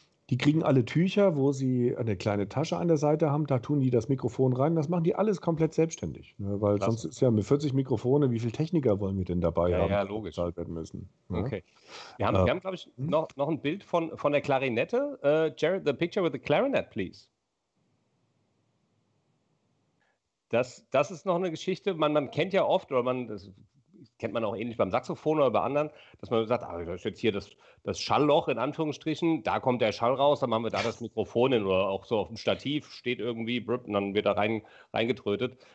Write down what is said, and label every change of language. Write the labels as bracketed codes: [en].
[de] Die kriegen alle Tücher, wo sie eine kleine Tasche an der Seite haben. Da tun die das Mikrofon rein. Das machen die alles komplett selbstständig. Ne? Weil sonst ist ja mit 40 Mikrofone, wie viele Techniker wollen wir denn dabei haben? Ja, logisch. Bezahlt werden müssen. Okay. Ja? Wir haben glaube ich, noch ein Bild von der Klarinette. [en] Jared, the picture with the clarinet, please. [de] Das ist noch eine Geschichte. Man kennt ja oft, kennt man auch ähnlich beim Saxophon oder bei anderen, dass man sagt, das ist jetzt hier das Schallloch in Anführungsstrichen, da kommt der Schall raus, dann machen wir da das Mikrofon hin oder auch so auf dem Stativ steht irgendwie und dann wird da reingetrötet.